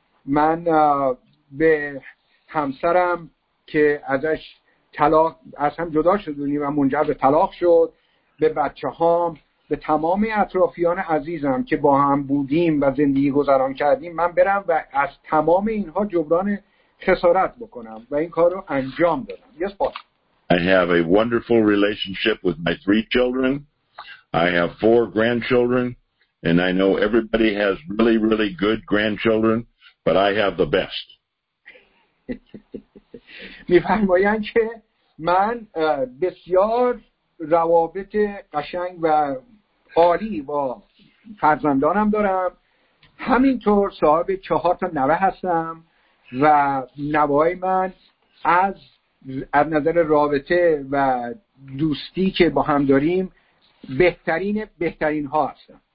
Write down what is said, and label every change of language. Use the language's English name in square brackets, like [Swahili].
[Persian] من به همسرم که ازش طلاق از هم جدا شدونی و منجر به طلاق شد، به بچه هام، به تمام اطرافیان عزیزم که با هم بودیم و زندگی گذران کردیم، من برم و از تمام اینها جبران خسارت بکنم و این کار رو انجام دادم. [English] Yes, boss. I have a wonderful relationship with my three children. I have 4 grandchildren. And I know everybody has really, really good grandchildren, but I have the best. [Persian] می‌فرمایند که من بسیار روابط قشنگ و عالی با فرزندانم دارم. همینطور صاحب 4 تا نوه هستم و نوه‌های من از نظر رابطه و دوستی که با هم داریم بهترین ها هستم.